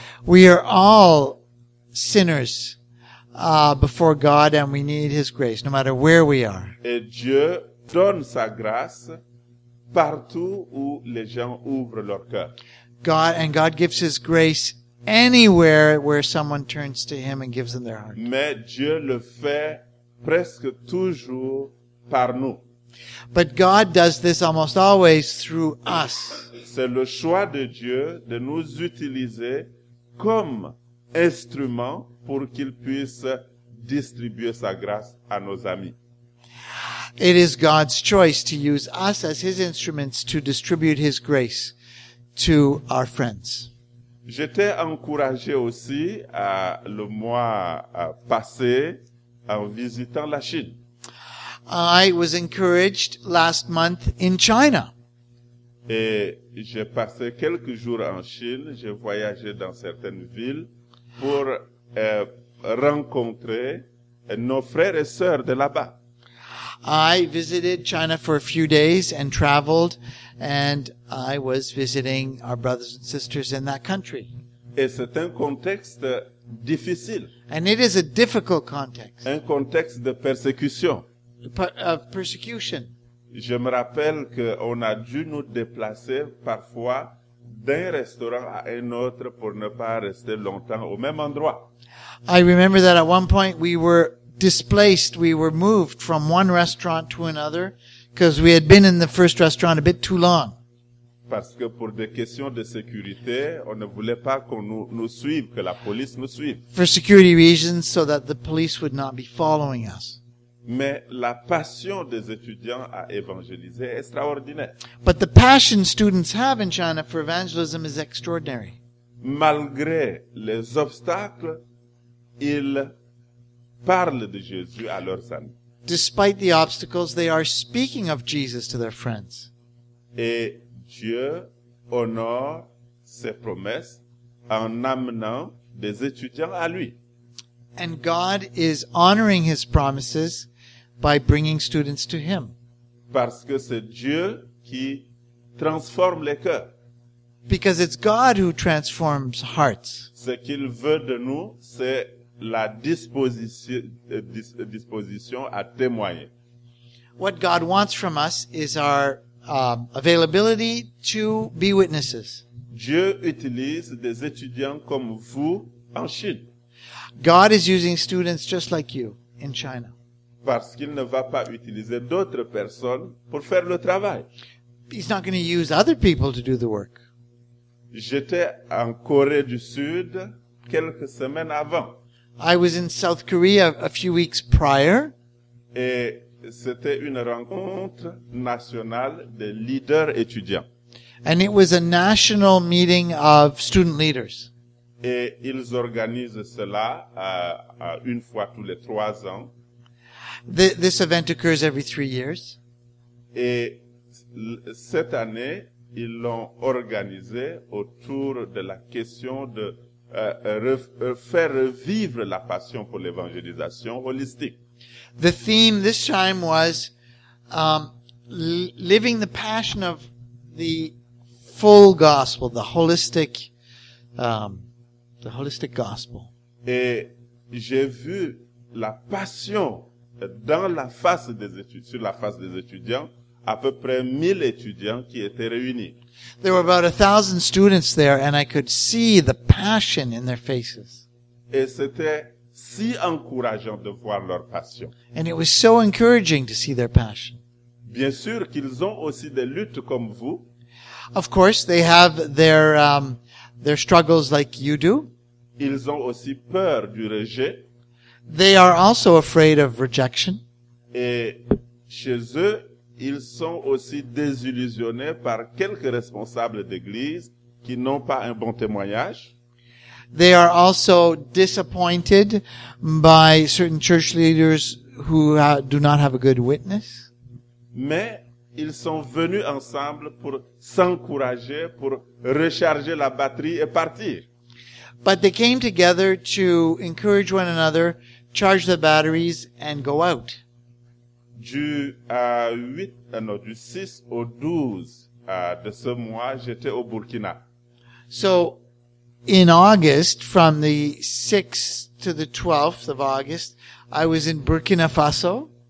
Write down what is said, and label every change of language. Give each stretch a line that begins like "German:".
English: We are all sinners before God and we need his grace, no matter where we are.
French: Et Dieu donne sa grâce partout où les gens ouvrent leur cœur.
English: God gives his grace anywhere where someone turns to him and gives them their heart.
French: Mais Dieu le fait presque toujours par nous.
English: But God does this almost always through us.
French: C'est le choix de Dieu de nous utiliser comme instrument pour qu'il puisse distribuer sa grâce à nos amis.
English: It is God's choice to use us as his instruments to distribute his grace to our friends.
French: J'étais encouragé aussi le mois passé en visitant la Chine.
English: I was encouraged last month in China.
French: Et j'ai passé quelques jours en Chine, j'ai voyagé dans certaines villes pour rencontrer nos frères et sœurs de là-bas.
English: I visited China for a few days and traveled, and I was visiting our brothers and sisters in that country.
French: Et c'est un contexte difficile.
English: And it is a difficult context.
French: Un contexte de persécution.
English: Of persecution.
French: Je me rappelle qu'on a dû nous déplacer parfois d'un restaurant à un autre pour ne pas rester longtemps au même endroit.
English: I remember that at one point we were displaced, we were moved from one restaurant to another because we had been in the first restaurant a bit too long.
French: Parce que pour des questions de sécurité, on ne voulait pas qu'on nous suive, que la police nous suive.
English: For security reasons, so that the police would not be following us.
French: Mais la passion des étudiants à évangéliser est extraordinaire.
English: But the passion students have in China for evangelism is extraordinary.
French: Malgré les obstacles, ils parlent de Jésus à leurs amis.
English: Despite the obstacles, they are speaking of Jesus to their friends.
French: Et Dieu honore ses promesses en amenant des étudiants à lui.
English: And God is honoring his promises by bringing students to him.
French: Parce que c'est Dieu qui transforme les cœurs.
English: Because it's God who transforms hearts.
French: Ce qu'il veut de nous, c'est la disposition à témoigner.
English: What God wants from us is our availability to be witnesses.
French: Dieu utilise des étudiants comme vous en Chine.
English: God is using students just like you in China.
French: Parce qu'il ne va pas utiliser d'autres personnes pour faire le travail.
English: He's not going to use other people to do the work.
French: J'étais en Corée du Sud quelques semaines avant.
English: I was in South Korea a few weeks prior.
French: Et c'était une rencontre nationale de leaders étudiants.
English: And it was a national meeting of student leaders.
French: Et ils organisent cela une fois tous les trois ans.
English: This event occurs every 3 years.
French: Et cette année, ils l'ont organisé autour de la question de faire revivre la passion pour l'évangélisation holistique.
English: The theme this time was living the passion of the full gospel, the holistic gospel.
French: Et j'ai vu la passion dans la face des étudiants, sur la face des étudiants, à peu près 1000 étudiants qui étaient réunis.
English: There were about 1,000 students there, and I could see the passion in their faces.
French: Et c'était si encourageant de voir leur passion.
English: And it was so encouraging to see their passion.
French: Bien sûr qu'ils ont aussi des luttes comme vous.
English: Of course, they have their struggles like you do.
French: Ils ont aussi peur du rejet.
English: They are also afraid of rejection.
French: Et chez eux, ils sont aussi désillusionnés par quelques responsables d'église qui n'ont pas un bon témoignage.
English: They are also disappointed by certain church leaders who do not have a good witness.
French: Mais ils sont venus ensemble pour s'encourager, pour recharger la batterie et partir.
English: But they came together to encourage one another, charge the batteries, and go out.
French: Du 6 au 12 de ce mois, j'étais au Burkina.
English: So, in August, from the 6th to the 12th of August, I was in Burkina Faso.